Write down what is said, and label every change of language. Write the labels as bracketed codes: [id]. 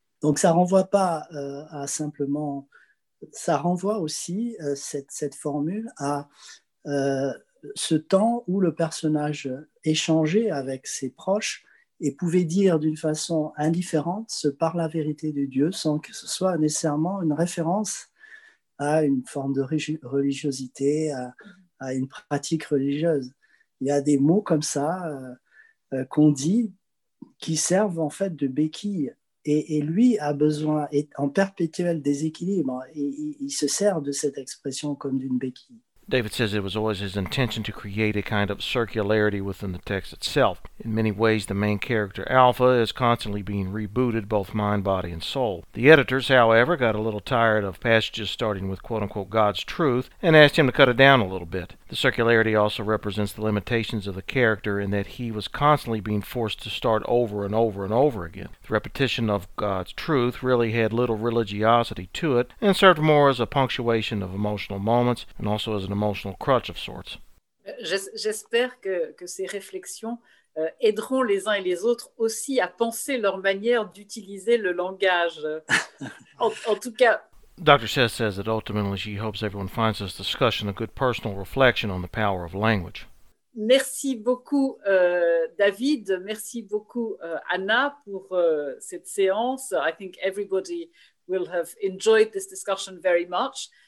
[fr] Donc ça renvoie pas à simplement, ça renvoie aussi cette formule à ce temps où le personnage échangeait avec ses proches et pouvait dire d'une façon indifférente ce par la vérité de Dieu sans que ce soit nécessairement une référence à une forme de religiosité, à une pratique religieuse. Il y a des mots comme ça qu'on dit qui servent en fait de béquille. Et lui a besoin, est en perpétuel déséquilibre, il se sert de cette expression comme d'une béquille. [en] David says it was always his intention to create a kind of circularity within the text itself. In many ways, the main character, Alpha, is constantly being rebooted, both mind, body, and soul. The editors, however, got a little tired of passages starting with quote-unquote God's truth and asked him to cut it down a little bit. The circularity also represents the limitations of the character in that he was constantly being forced to start over and over and over again. The repetition of God's truth really had little religiosity to it and served more as a punctuation of emotional moments and also as an emotional crutch of sorts. [fr] J'espère que ces réflexions aideront les uns et les autres aussi à penser leur manière d'utiliser le langage. En tout cas... [en] Dr. Seth says that ultimately she hopes everyone finds this discussion a good personal reflection on the power of language. [fr] Merci beaucoup, David. Merci beaucoup, Anna, pour cette séance. [en] I think everybody will have enjoyed this discussion very much.